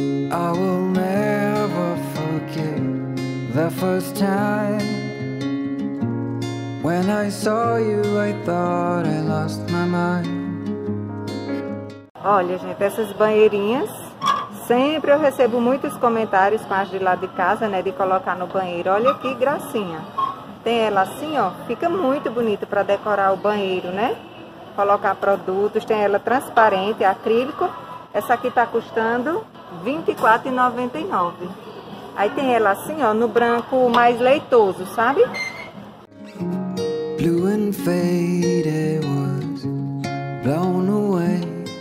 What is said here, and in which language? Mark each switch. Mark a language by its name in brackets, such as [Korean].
[English] I will never forget the first time. When I saw you, I thought I lost my mind. [Portuguese] Olha, gente, essas banheirinhas, sempre eu recebo muitos comentários com as de lá de casa, né, de colocar no banheiro. Olha que gracinha. Tem ela assim, ó, fica muito bonito pra decorar o banheiro, né? Colocar produtos, tem ela transparente, acrílico. Essa aqui tá custando R$24,99. Aí tem ela assim, ó, no branco mais leitoso, sabe? [English] Blue and faded was blown away.